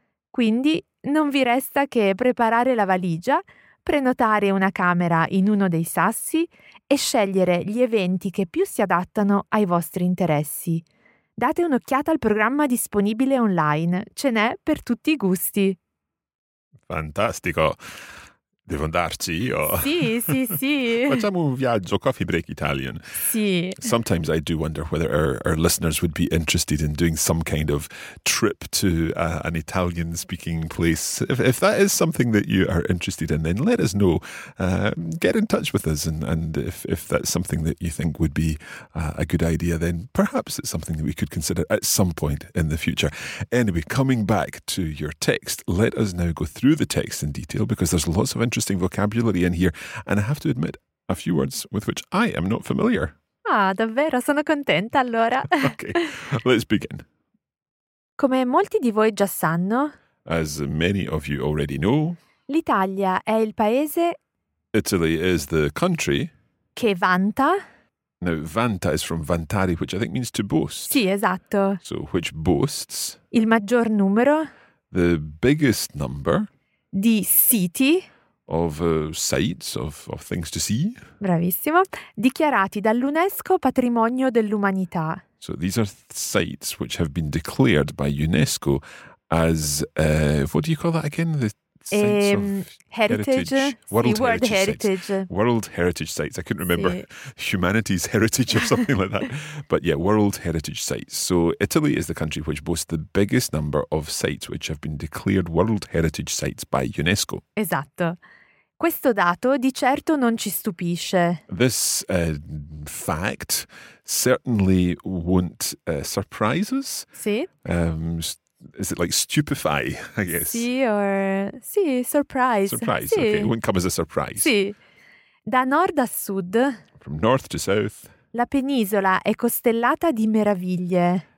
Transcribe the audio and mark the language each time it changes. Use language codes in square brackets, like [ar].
[it] Quindi non vi resta che preparare la valigia, prenotare una camera in uno dei sassi e scegliere gli eventi che più si adattano ai vostri interessi. Date un'occhiata al programma disponibile online, ce n'è per tutti i gusti. Fantastico! Devo andarci io? Sì. Facciamo un viaggio Coffee Break Italian. Sì. [en] Sometimes I do wonder whether our listeners would be interested in doing some kind of trip to an Italian-speaking place. If that is something that you are interested in, then let us know. Get in touch with us. And if that's something that you think would be a good idea, then perhaps it's something that we could consider at some point in the future. Anyway, coming back to your text, let us now go through the text in detail because there's lots of interesting vocabulary in here, and I have to admit a few words with which I am not familiar. [it] Ah, davvero? Sono contenta allora. [en] Okay, let's begin. [it] Come molti di voi già sanno, [en] as many of you already know, [it] l'Italia è il paese. [en] Italy is the country [it] che vanta. [en] Now, vanta is from vantare, which I think means to boast. [it] Sì, esatto. [en] So, which boasts [it] il maggior numero, [en] the biggest number [it] di siti. [en] Of sites, of things to see. [it] Bravissimo. Dichiarati dall'UNESCO patrimonio dell'umanità. [en] So these are sites which have been declared by UNESCO as, what do you call that again? The sites of World Heritage. World Heritage sites. I couldn't remember. [it] Sì. [en] Humanity's heritage or something like that. But yeah, World Heritage sites. So Italy is the country which boasts the biggest number of sites which have been declared World Heritage sites by UNESCO. [it] Esatto. Questo dato di certo non ci stupisce. [en] This fact certainly won't surprise us. [it] Sì. [en] Is it like stupefy, I guess? [it] Sì, [en] or... Sì, surprise. Surprise, [it] sì. [en] Okay. It won't come as a surprise. [it] Sì. Da nord a sud... [en] From north to south... [it] La penisola è costellata di meraviglie.